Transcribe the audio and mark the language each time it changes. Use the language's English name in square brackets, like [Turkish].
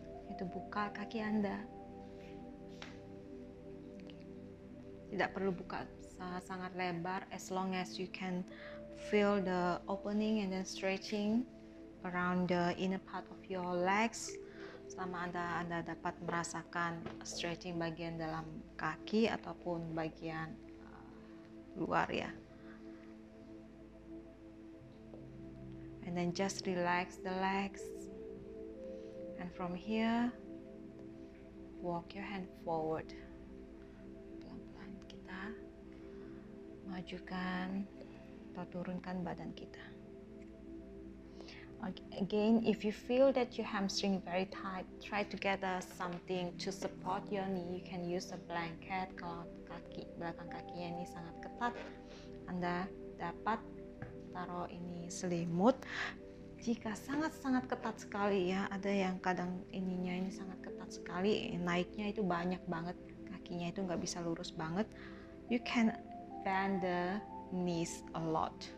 [Indonesian] Itu buka kaki Anda. Tidak perlu buka sangat lebar, [English] as long as you can feel the opening and then stretching around the inner part of your legs. [Indonesian] Selama Anda dapat merasakan stretching bagian dalam kaki ataupun bagian luar ya. [English] And then just relax the legs. And from here, walk your hand forward. [Indonesian] Pelan-pelan kita majukan atau turunkan badan kita. [English] Again, if you feel that your hamstring very tight, try to get something to support your knee. You can use a blanket. [Indonesian] Kalau kaki belakang kakinya ini sangat ketat, Anda dapat taruh ini selimut. Jika sangat-sangat ketat sekali ya, ada yang kadang ininya ini sangat ketat sekali, naiknya itu banyak banget, kakinya itu nggak bisa lurus banget, [English] you can bend the knees a lot.